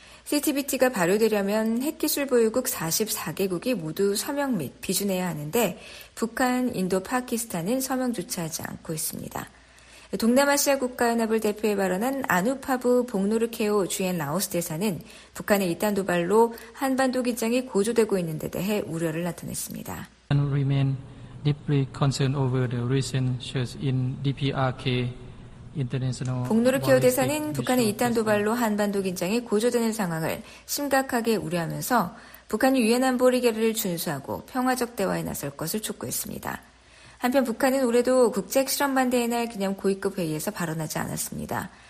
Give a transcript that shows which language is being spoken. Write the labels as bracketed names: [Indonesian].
[Korean] CTBT가 발효되려면 핵기술 보유국 44개국이 모두 서명 및 비준해야 하는데 북한, 인도, 파키스탄은 서명조차 하지 않고 있습니다. 동남아시아 국가연합을 대표해 발언한 아누파브 봉노르케오 주엔 라오스 대사는 북한의 이딴 도발로 한반도 긴장이 고조되고 있는 데 대해 우려를 나타냈습니다. [English] And remain deeply concerned over the recent shifts in DPRK. [Korean] 봉노르케오 대사는 북한의 이딴 도발로 한반도 긴장이 고조되는 상황을 심각하게 우려하면서 북한이 유엔 안보리 결의를 준수하고 평화적 대화에 나설 것을 촉구했습니다. 한편 북한은 올해도 국제 핵실험 반대의 날 기념 고위급 회의에서 발언하지 않았습니다.